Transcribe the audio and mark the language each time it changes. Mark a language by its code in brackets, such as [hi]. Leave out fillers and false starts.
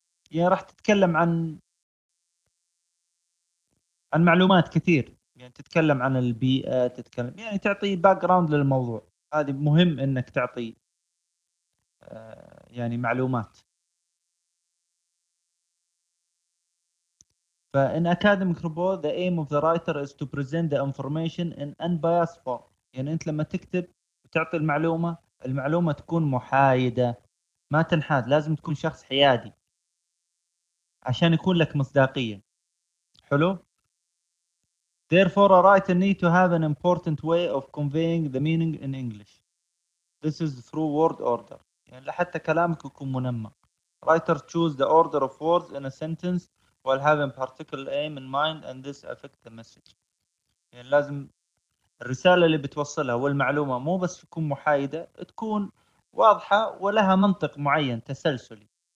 [ar] يعني راح تتكلم عن معلومات كثير. يعني تتكلم عن البيئة, تتكلم يعني تعطي background للموضوع. هذه مهم إنك تعطي يعني معلومات. [en] فإن academic report the aim of the writer is to present the information in unbiased form. [ar] يعني أنت لما تكتب وتعطي المعلومة, المعلومة تكون محايدة ما تنحاز, لازم تكون شخص حيادي عشان يكون لك مصداقية. [en] حلو. Therefore a writer need to have an important way of conveying the meaning in English. This is through word order. [ar] يعني لحتى كلامك يكون منمق. [en] Writer choose the order of words in a sentence while having particular aim in mind and this affect the message. [ar] يعني لازم الرسالة اللي بتوصلها والمعلومة مو بس تكون محايدة, تكون واضحة ولها منطق معين تسلسلي.